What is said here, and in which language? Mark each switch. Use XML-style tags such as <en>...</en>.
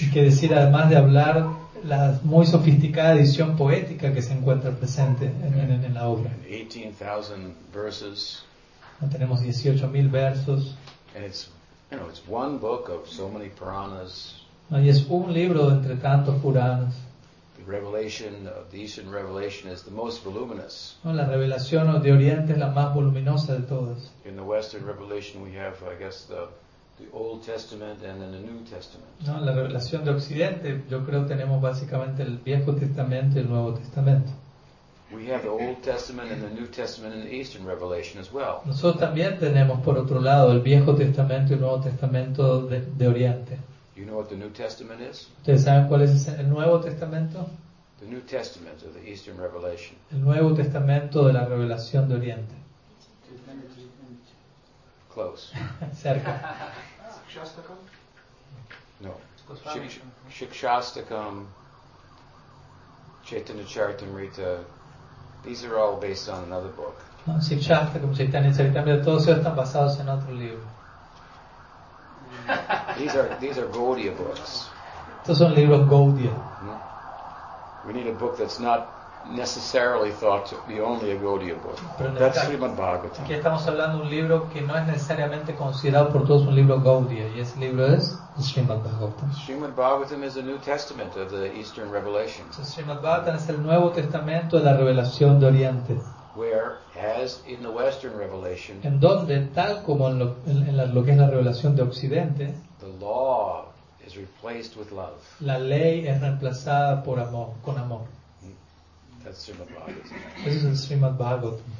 <es>Y que decir además de hablar la muy sofisticada edición poética que se encuentra presente en la obra.</es> <en>18,000 verses.</en> <es>Tenemos 18,000 versos.</es> <en>And it's, you know, it's one book of so many Puranas.</en> <es>Y es un libro entre tantos Puranas.</es> <en>The revelation of the Eastern revelation is the most voluminous.</en> <es>La revelación de Oriente es la más voluminosa de todas.</es> <en>In the Western revelation, we have, I guess, the Old Testament and then the New Testament.</en> <es>No, la revelación de Occidente, yo creo tenemos básicamente el Viejo Testamento y el Nuevo Testamento.</es> <en>We have the Old Testament and the New Testament in the Eastern revelation as well.</en> <es>Nosotros también tenemos por otro lado el Viejo Testamento y el Nuevo Testamento de Oriente.</es> <en>You know what the New Testament is?</en> <es>¿Ustedes saben cuál es el Nuevo Testamento?</es> <en>The New Testament of the Eastern Revelation.</en> <es>El Nuevo Testamento de la Revelación de Oriente.</es> <en>Close.</en> <es>Cerca.</es> <en>Shikshastakam? No. Shikshastakam, Chaitanya Charitamrita, these are all based on another book.</en> <es>No, Shikshastakam, Chaitanya Charitamrita, todos ellos están basados en otro libro.</es> <en>These are Gaudiya books.</en> <es>Estos son libros Gaudiya.</es> <en>We need a book that's not necessarily thought to be only a Gaudiya book. That's Srimad Bhagavatam.</en> <es>Aquí estamos hablando de un libro que no es necesariamente considerado por todos un libro Gaudiya, y ese libro es Srimad Bhagavatam.</es> <en>Srimad Bhagavatam is the New Testament of the Eastern Revelation.</en> <es>Srimad Bhagavatam es el Nuevo Testamento de la Revelación de Oriente.</es> <en>Where, as in the Western revelation,</en> <es>en donde, tal como lo que es la revelación de Occidente,</es> <en>the law is replaced with love.</en> <es>La ley es reemplazada por amor, con amor.</es> <en>That's Srimad Bhagavatam. This is Srimad Bhagavatam.</en>